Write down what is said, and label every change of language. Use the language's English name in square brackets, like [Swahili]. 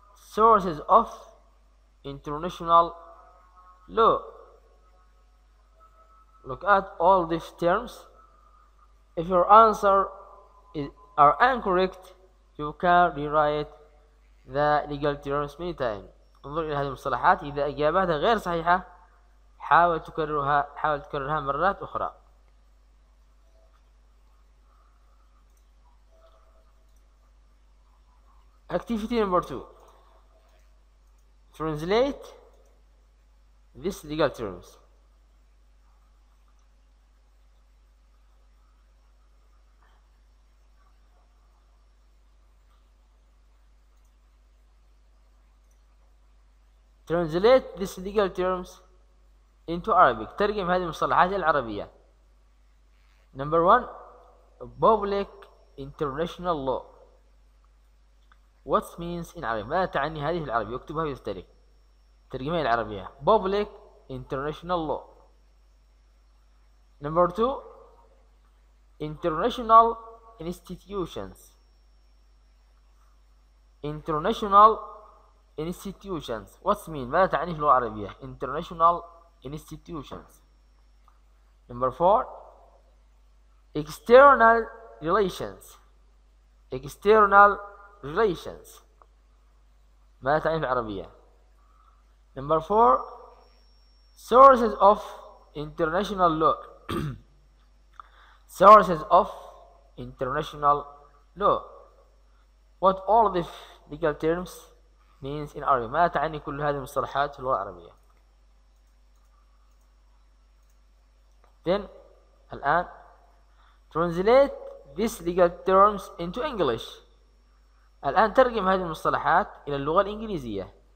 [English] Sources of international law. Look at all these terms. If your answer are incorrect, you can rewrite the legal terms many times. [Arabic] انظر إلى هذه المصطلحات. إذا إجابتها غير صحيحة، حاول تكررها. حاول تكررها مرات أخرى. [English] Activity number two. Translate this legal terms. Translate these legal terms into Arabic. [Arabic] ترجم هذه المصطلحات العربية. [English] Number one, public international law. What means in Arabic? [Arabic] ماذا تعني هذه العربية؟ اكتبها في دفترك. ترجمها العربية. [English] Public international law. Number two, international institutions. International institutions. What's mean? [Arabic] ماذا تعني في اللغة العربية؟ [English] International institutions. Number four. External relations. External relations. [Arabic] ماذا تعني في العربية؟ [English] Number four, sources of international law. Sources of international law. What all the legal terms means in Arabic? [Arabic] ما تعني كل هذه المصطلحات في اللغة العربية؟ [English] Then, [Arabic] الآن, [English] translate these legal terms into English. [Arabic] الآن ترجم هذه المصطلحات إلى اللغة الإنجليزية.